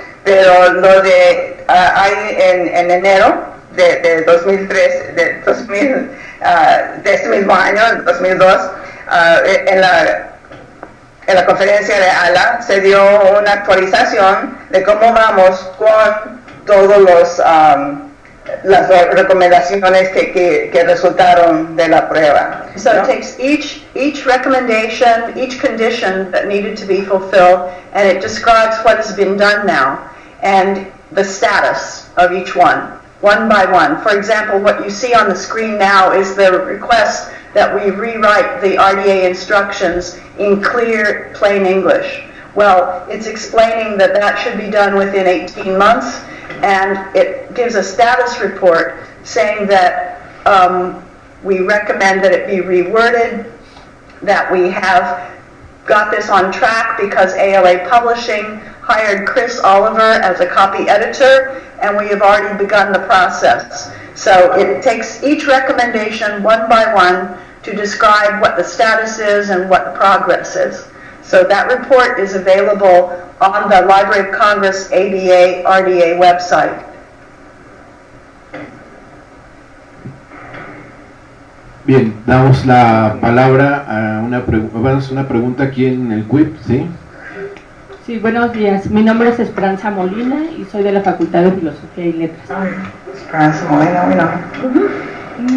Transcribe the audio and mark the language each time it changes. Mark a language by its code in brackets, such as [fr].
[es] Pero lo de hay en enero de 2003, de este mismo año, 2002, en la conferencia de ALA se dio una actualización de cómo vamos con todos los las recomendaciones que resultaron de la prueba. [en] So it takes each recommendation, each condition that needed to be fulfilled, and it describes what has been done now and the status of each one, one by one. For example, what you see on the screen now is the request that we rewrite the RDA instructions in clear, plain English. Well, it's explaining that that should be done within 18 months, and it gives a status report saying that we recommend that it be reworded, that we have got this on track because ALA Publishing hired Chris Oliver as a copy editor, and we have already begun the process. So it takes each recommendation one by one to describe what the status is and what the progress is. So that report is available on the Library of Congress ADA RDA website. [es] Bien, damos la palabra a una pregunta aquí en el CUIP, ¿sí? Sí, buenos días. Mi nombre es Esperanza Molina y soy de la Facultad de Filosofía y Letras. Esperanza Molina, mi nombre.